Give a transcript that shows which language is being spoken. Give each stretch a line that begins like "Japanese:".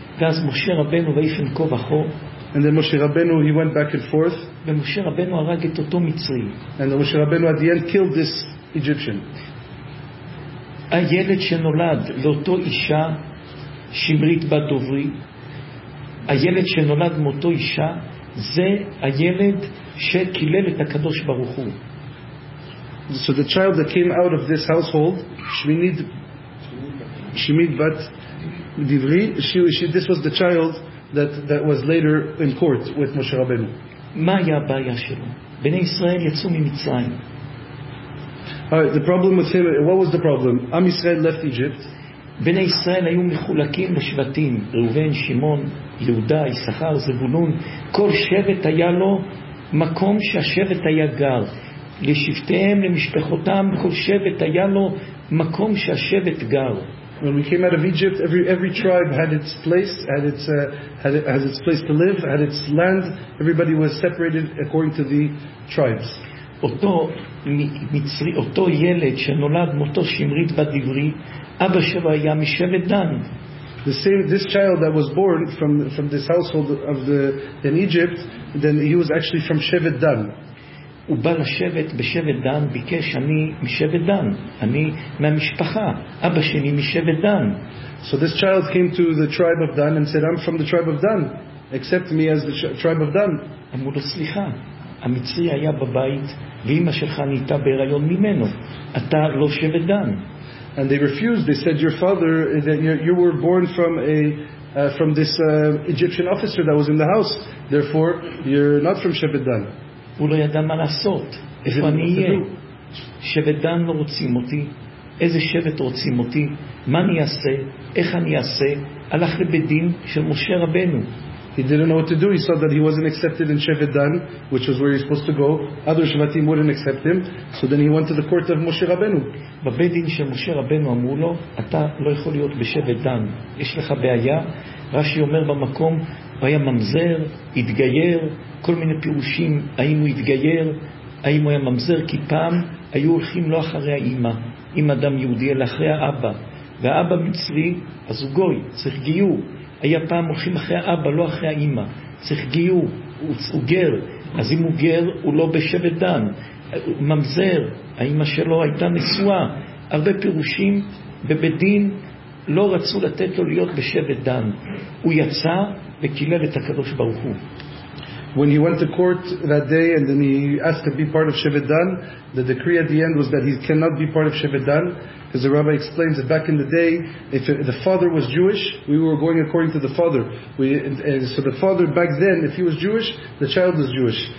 Hebrew: ואז משה רבנו ואיפן כה וכה.
English: And then Moshe Rabbeinu, he went back and forth.
Hebrew: ומשה רבנו הרג את אותו מצרי.
English: And Moshe Rabbeinu at the end killed this Egyptian.
Hebrew: הילד שנולד לאותו אישה, שמרית בת דוברי, הילד שנולד מאותו אישה, זה הילד שקילל את הקדוש ברוך הוא.
English: So the child that came out of this household, שמרית בת דוברי, this was the child that was later in court with Moshe Rabbeinu.
Hebrew: מה היה הבעיה שלו? בני ישראל יצאו ממצרים.
English: Alright, the problem with him, what was the problem? Am Yisrael left Egypt.
Hebrew: Bnei Yisrael היו מחולקים לשבטים, ראובן, שמעון, יהודה, יששכר, זבולון. כל שבט היה לו מקום שהשבט היה גר. לשבטיהם, למשפחותם, כל שבט היה לו מקום שהשבט גר.
English: When we came out of Egypt, every tribe had its place, had its place to live, had its land. Everybody was separated according to the tribes.
Hebrew: אותו מצרי, אותו ילד שנולד מותו שמרית בדברי, אבא שלו היה משבט דן.
English: This child that was born from this household of the in Egypt, then he was actually from Shevet Dan.
Hebrew: ובאל השבט בשבט דן ביקש אני משבט דן אני מהמשפחה אבא שלי משבט דן.
English: So this child came to the tribe of Dan and said, I'm from the tribe of Dan, accept me as the tribe of Dan.
Hebrew: אמרו לו סליחה, המצרי היה בבית ואמא שלך נהייתה בהיריון ממנו, אתה לא שבט דן.
English: And they refused, they said, your father, that you were born from this Egyptian officer that was in the house, therefore you're not from Shevet Dan.
Hebrew: הוא לא ידע מה לעשות, איפה אני אהיה? שבט דן לא רוצים אותי, איזה שבט רוצים אותי, מה אני אעשה, איך אני אעשה? הלך לבית דין של משה רבנו.
English: He didn't know what to do. He saw that he wasn't accepted in Shevet Dan, which was where he was supposed to go. Other Shevatim wouldn't accept him. So then he went to the court of Moshe Rabbeinu.
Hebrew: בבית דין של משה רבנו אמרו לו, אתה לא יכול להיות בשבט דן. יש לך בעיה. רש"י אומר במקום, הוא היה ממזר, התגייר, כל מיני פירושים, האם הוא התגייר, האם הוא היה ממזר, כי פעם היו הולכים לא אחרי האמא, אם אדם יהודי, אלא אחרי האבא. והאבא מצרי, אז הוא גוי, צריך גיור. היה פעם הולכים אחרי האבא, לא אחרי האמא. צריך גיור, הוא גר. אז אם הוא גר, הוא לא בשבט דן. ממזר, האמא שלו הייתה נשואה. הרבה פירושים, בבית דין לא רצו לתת לו להיות בשבט דן. הוא יצא וקילל את הקדוש ברוך הוא.
English: When he went to court that day and then he asked to be part of Shevet Dan, the decree at the end was that he cannot be part of Shevet Dan, because the rabbi explains that back in the day, if the father was Jewish, we were going according to the father. So the father back then, if he was Jewish, the child was Jewish.